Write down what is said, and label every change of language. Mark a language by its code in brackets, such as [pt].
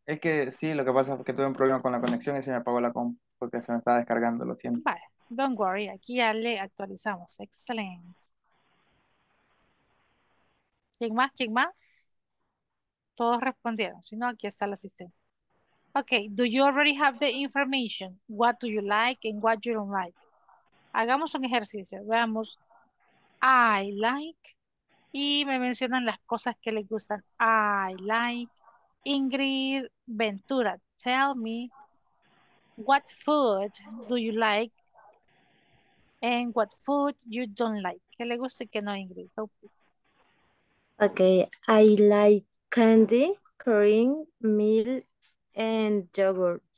[es] Es que sí, lo que pasa es que tuve un problema con la conexión y se me apagó la compu. porque se me está descargando, lo siento. Vale, [en] don't worry, [es] aquí ya le actualizamos. Excelente. ¿Quién más? ¿Quién más? Todos respondieron, si no, aquí está el asistente. [en] Ok, do you already have the information? What do you like and what you don't like? [es] Hagamos un ejercicio, veamos. [en] I like, [es] y me mencionan las cosas que les gustan. [en] I like Ingrid Ventura. Tell me, what food do you like and what food you don't like? [es] ¿Qué le gusta y qué no, Ingrid? [en] Okay, I like candy, cream, milk, and yogurt.